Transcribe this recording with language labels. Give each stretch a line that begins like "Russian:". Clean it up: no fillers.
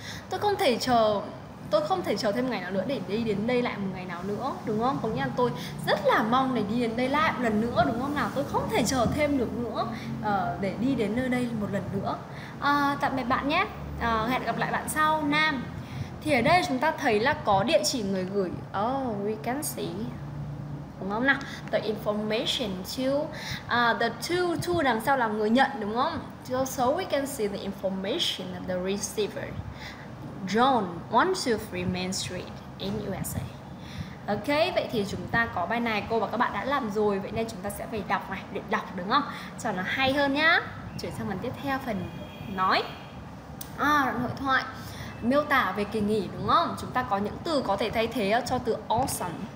Vietnamese: Tôi không thể chờ thêm ngày nào nữa để đi đến đây lại một ngày nào nữa, đúng không? Có nghĩa là tôi rất là mong để đi đến đây lại một lần nữa, đúng không nào? Tôi không thể chờ thêm được nữa để đi đến nơi đây một lần nữa. Tạm biệt bạn nhé. Hẹn gặp lại bạn sau, Nam. Thì ở đây chúng ta thấy là có địa chỉ người gửi.
English: We can see,
Vietnamese: đúng không nào?
English: The information to the to
Vietnamese: đằng sau là người nhận, đúng không?
English: So we can see the information of the receiver. John, 123 Main Street in USA.
Vietnamese: Ok, vậy thì chúng ta có bài này cô và các bạn đã làm rồi. Vậy nên chúng ta sẽ phải đọc này, để đọc đúng không? Cho nó hay hơn nhá. Chuyển sang phần tiếp theo, phần nói. Đoạn hội thoại miêu tả về kỳ nghỉ, đúng không? Chúng ta có những từ có thể thay thế cho từ awesome.